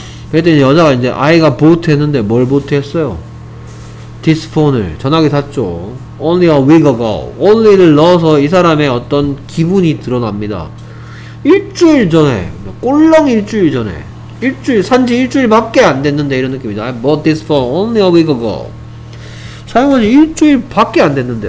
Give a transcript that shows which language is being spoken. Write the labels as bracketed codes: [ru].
[ko] 그랬더니 여자가 이제 아이가 보트 했는데 뭘 보트 했어요? [en] This phone을 [ko] 전화기 샀죠. [en] Only a week ago. [ko] Only를 넣어서 이 사람의 어떤 기분이 드러납니다. 일주일 전에. 꼴렁 일주일 전에. 일주일, 산 지 일주일밖에 안 됐는데 이런 느낌이다. [en] I bought this phone only a week ago. [ko] 사용한 지 일주일밖에 안 됐는데.